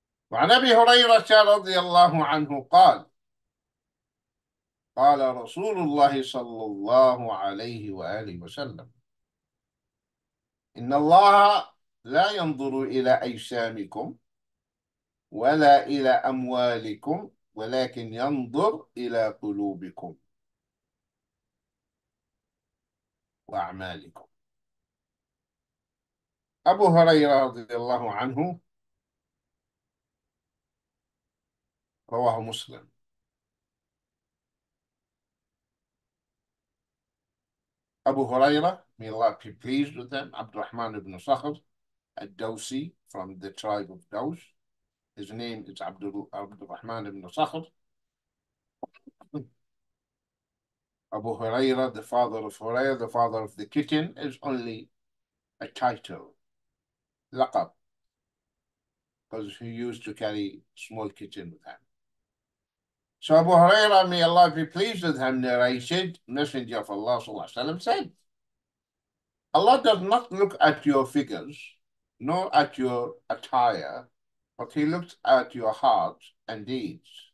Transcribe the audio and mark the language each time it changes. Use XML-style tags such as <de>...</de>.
<ar>وعن أبي هريرة رضي الله عنه قال قال رسول الله صلى الله عليه وآله وسلم: إن الله لا ينظر إلى أجسامكم ولا إلى أموالكم، ولكن ينظر إلى قلوبكم وأعمالكم. أبو هريرة رضي الله عنه، رواه مسلم.</ar> <en>أبو هريرة، may Allah be pleased with them, عبد الرحمن بن صخر الدوسي from the tribe of Dawes. His name is عبد الرحمن بن صخر. أبو هريرة, the father of Hurairah, the father of the kitten, is only a title, لقب, because he used to carry small kitten with him. So Abu Hurairah, may Allah be pleased with him, narrated, Messenger of Allah</en> <ar>صلى الله عليه وسلم</ar> <en>said, Allah does not look at your figures, nor at your attire, but he looks at your heart and deeds.</en>